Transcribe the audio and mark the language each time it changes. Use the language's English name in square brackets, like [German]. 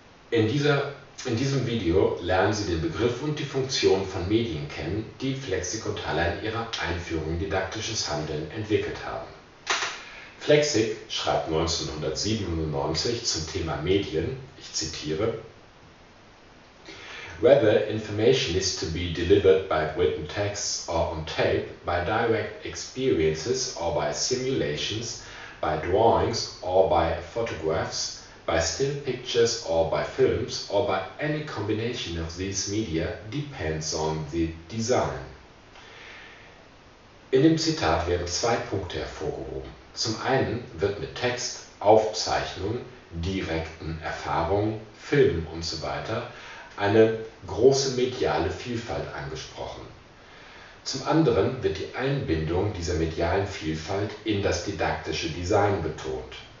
[German] In diesem Video lernen Sie den Begriff und die Funktion von Medien kennen, die Flexikontaler in ihrer Einführung in didaktisches Handeln entwickelt haben. Flexik schreibt 1997 zum Thema Medien, ich zitiere: [English] Whether information is to be delivered by written texts or on tape, by direct experiences or by simulations, by drawings or by photographs, by still pictures or by films or by any combination of these media depends on the design. [German] In dem Zitat werden zwei Punkte hervorgehoben. Zum einen wird mit Text, Aufzeichnungen, direkten Erfahrungen, Filmen usw. so eine große mediale Vielfalt angesprochen. Zum anderen wird die Einbindung dieser medialen Vielfalt in das didaktische Design betont.